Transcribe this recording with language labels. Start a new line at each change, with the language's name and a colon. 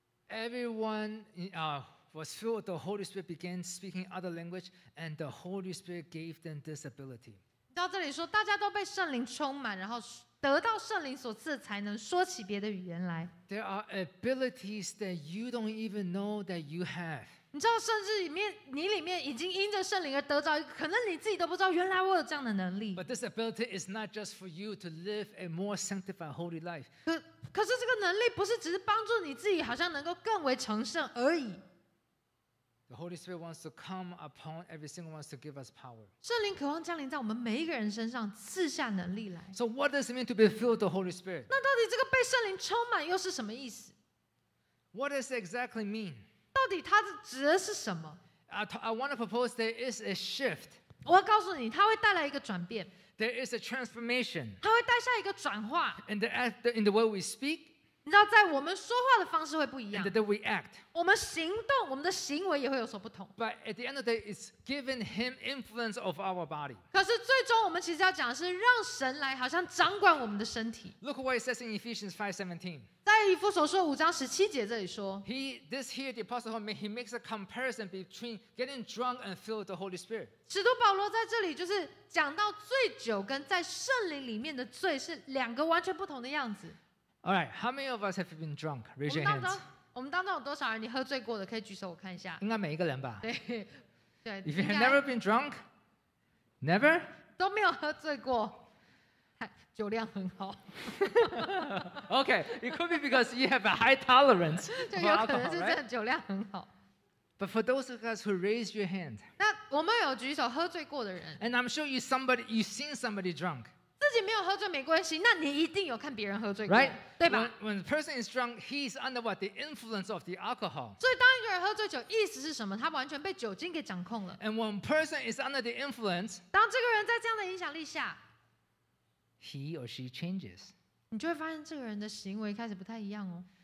English: Everyone was filled with the Holy Spirit, began speaking other language, and the Holy Spirit gave them this ability.
Chinese: 到这里说，大家都被圣灵充满，然后得到圣灵所赐的才能，说起别的语言来。
English: There are abilities that you don't even know that you have.
Chinese: 你知道，甚至你里面已经因着圣灵而得着，可能你自己都不知道，原来我有这样的能力。
English: But this ability is not just for you to live a more sanctified, holy life.
Chinese: 可是这个能力不是只是帮助你自己，好像能够更为成圣而已。
English: The Holy Spirit wants to come upon every single one to give us power.
Chinese: 圣灵渴望降临在我们每一个人身上，赐下能力来。
English: So what does it mean to be filled with the Holy Spirit?
Chinese: 那到底这个被圣灵充满又是什么意思？
English: What does it exactly mean?
Chinese: 到底它指的是什么？
English: I want to propose there is a shift.
Chinese: 我要告诉你，它会带来一个转变。
English: There is a transformation.
Chinese: 它会带下一个转化。
English: In the way we speak.
Chinese: 你知道在我们说话的方式会不一样
English: and that we act.
Chinese: 我们行动我们的行为也会有所不同
English: But at the end of the day it's giving him influence of our body.
Chinese: 可是最终我们其实要讲的是让神来好像掌管我们的身体
English: Look what it says in Ephesians 5:17
Chinese: 在以弗所书五章十七节这里说
English: This here the apostle Paul he makes a comparison between getting drunk and filled with the Holy Spirit.
Chinese: 使徒保罗在这里就是讲到醉酒跟在圣灵里面的醉是两个完全不同的样子
English: All right, how many of us have been drunk? Raise your hands.
Chinese: 我们当中有多少人你喝醉过的？可以举手我看一下。应该每一个人吧。对，对。
English: If you have never been drunk, never
Chinese: 都没有喝醉过，酒量很好。
English: Okay, it could be because you have a high tolerance.
Chinese: 就有可能是真的酒量很好。
English: But for those of us who raise your hand,
Chinese: 那我们有举手喝醉过的人。
English: And I'm sure you've seen somebody drunk.
Chinese: 自己没有喝醉没关系，那你一定有看别人喝醉过，
English: right?
Chinese: 对吧
English: ？When a person is drunk, he is under what the influence of the alcohol.
Chinese: 所以当一个人喝醉酒，意思是什么？他完全被酒精给掌控了。
English: And when a person is under the influence,
Chinese: 当这个人在这样的影响力下
English: ，he or she changes.
Chinese: 你就会发现这个人的行为开始不太一样哦。